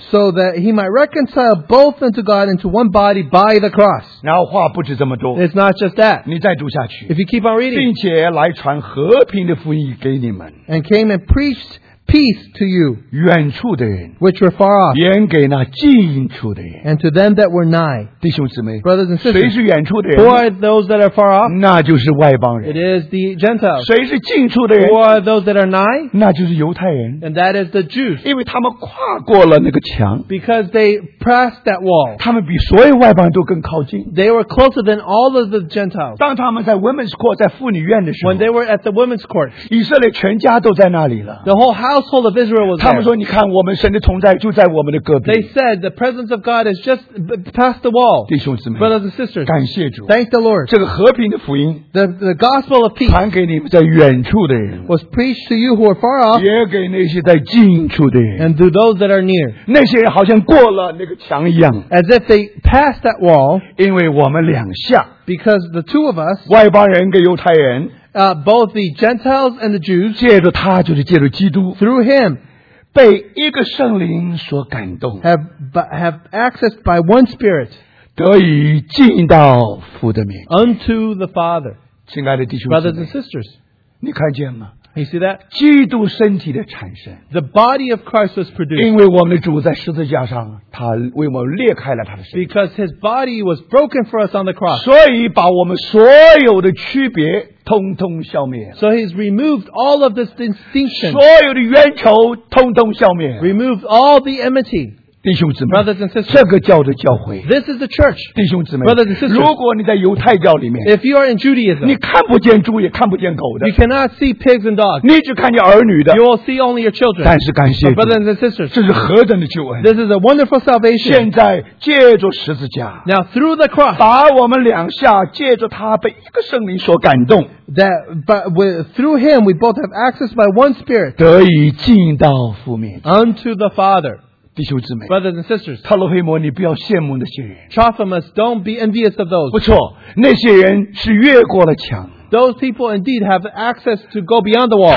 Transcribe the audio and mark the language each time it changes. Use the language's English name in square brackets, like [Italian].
[English] so that he might reconcile both unto God into one body by the cross. [Chinese] 然后话不止这么多, [English] it's not just that. [Chinese] 你再读下去, [English] if you keep on reading, [Chinese] 并且来传和平的福音给你们, [English] and came and preached peace to you, [Chinese] 远处的人, [English] which were far off, [Chinese] 言给那近处的人, [English] and to them that were nigh. [Chinese] 弟兄姊妹, [English] brothers and sisters, [Chinese] 谁是远处的人? [English] Who are those that are far off? [Chinese] 那就是外邦人. [English] It is the Gentiles. [Chinese] 谁是近处的人? [English] Who are those that are nigh? [Chinese] 那就是犹太人. [English] And that is the Jews. [Chinese] 因为他们跨过了那个墙, [English] because they pressed that wall. [Chinese] 他们比所有外邦人都更靠近. [English] They were closer than all of the Gentiles. [Chinese] 当他们在 [English] women's court, [Chinese] 在妇女院的时候, [English] when they were at the women's court, [Chinese] 以色列全家都在那里了. [English] The whole household of Israel was there. [Chinese] 他们说你看我们神的同在就在我们的隔壁。 [English] They said the presence of God is just past the wall. [Chinese] 弟兄姊妹, [English] brothers and sisters, [Chinese] 感谢主, [English] thank the Lord. [Chinese] 这个和平的福音, [English] the gospel of peace, [Chinese] 传给你们在远处的人, [English] was preached to you who are far off, [Chinese] 也给那些在近处的人, [English] and to those that are near, [Chinese] 那些人好像过了那个墙一样, [English] as if they passed that wall, [Chinese] 因为我们两下, [English] because the two of us, [Chinese] 外邦人跟犹太人, [English] Both the Gentiles and the Jews, [Chinese] 借着他就是借着基督, [English] through him, [Chinese] 被一个圣灵所感动, [English] have accessed by one Spirit, [Chinese] 得以进到父的面, [English] unto the Father. [Chinese] 亲爱的弟兄姊妹, [English] brothers and sisters, [Chinese] 你看见吗? [English] You see that? [Chinese] 基督身体的产生, [English] the body of Christ was produced. [Chinese] 因为我们的主在十字架上, 他为我们裂开了他的身体, [English] because his body was broken for us on the cross. [Chinese] 所以把我们所有的区别, [English] so he's removed all of this distinction. [Chinese] 所有的冤仇通通消灭, [English] removed all the enmity. [Chinese] 弟兄姊妹, [English] brothers and sisters, [Chinese] 这个叫做教会, [English] this is the church. [Chinese] 弟兄姊妹, [English] brothers and sisters, [Chinese] 如果你在犹太教里面, [English] if you are in Judaism, [Chinese] 你看不见猪也看不见狗的, [English] you cannot see pigs and dogs, [Chinese] 你只看见儿女的, [English] you will see only your children. [Chinese] 但是感谢主, [English] but brothers and sisters, [Chinese] 这是何等的救恩, [English] this is a wonderful salvation. [Chinese] 现在借着十字架, [English] now through the cross, [Chinese] 把我们两下借着他被一个圣灵所感动, [English] that but with, through him we both have access by one Spirit, [Chinese] 得以进到父面, [English] unto the Father. [Chinese] 弟兄姊妹, [English] brothers and sisters, [Chinese] 特洛黑摩, 你不要羡慕那些人, [English] Trophimus, don't be envious of those. [Chinese] 不错, 那些人是越过了墙, [English] those people indeed have access to go beyond the wall.